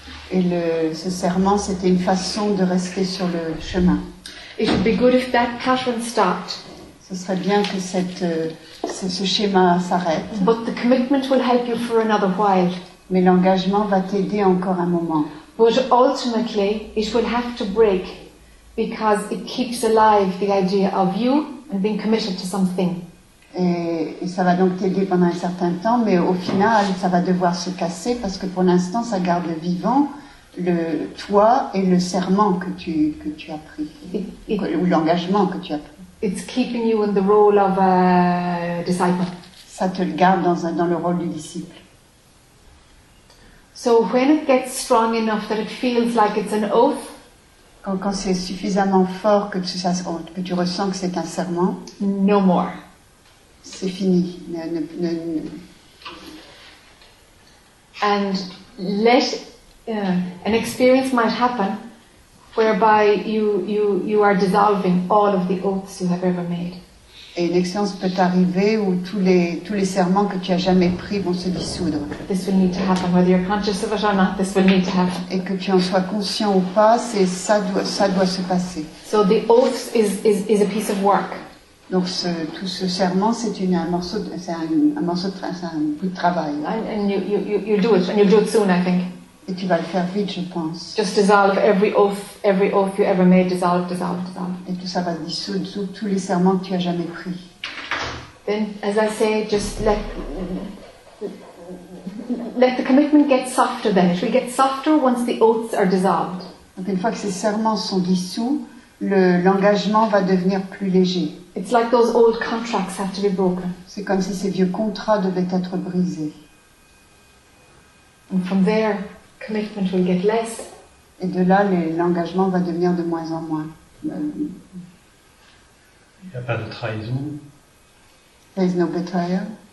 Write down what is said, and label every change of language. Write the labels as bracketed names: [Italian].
[French] Et ce serment, c'était une façon de rester sur le chemin. [English] It would be good if that pattern stopped. [French] Ce serait bien que ce schéma s'arrête. [English] But the commitment will help you for another while. [French] Mais l'engagement va t'aider encore un moment. [English] But ultimately, it will have to break. Because it keeps alive the idea of you and being committed to something. [French] Et ça va donc t'aider pendant un certain temps, mais au final, ça va devoir se casser parce que pour l'instant, ça garde vivant le toi et le serment que tu as pris, ou l'engagement que tu as pris. [English] It's keeping you in the role of a disciple. [French] Ça te garde dans le rôle du disciple. [English] So when it gets strong enough that it feels like it's an oath. [French] Quand c'est suffisamment fort que tu ressens que c'est un serment, [English] no more. [French] C'est fini. Ne. [English] And let an experience might happen whereby you are dissolving all of the oaths you have ever made. [French] Et une expérience peut arriver où tous les serments que tu as jamais pris vont se dissoudre. [English] This will need to happen, whether you're conscious of it or not. This will need to happen. [French] Et que tu en sois conscient ou pas, c'est ça doit se passer. [English] So the oath is a piece of work. [French] Donc tout ce serment, c'est un bout de travail. [English] And you'll do it, and you'll do it soon, I think. [French] Et tu vas le faire vite, je pense. [English] Just dissolve every oath you ever made. Dissolve. [French] Et tout ça va dissoudre tous les serments que tu as jamais pris. [English] Then, as I say, just let the commitment get softer. Then it will get softer once the oaths are dissolved. [French] Donc une fois que ces serments sont dissous, l'engagement va devenir plus léger. [English] It's like those old contracts have to be broken. [French] C'est comme si ces vieux contrats devaient être brisés. [English] And from there, commitment will get less. [French] Et de là, l'engagement va devenir de moins en moins. Il n'y a pas de trahison. [English] There is no betrayal.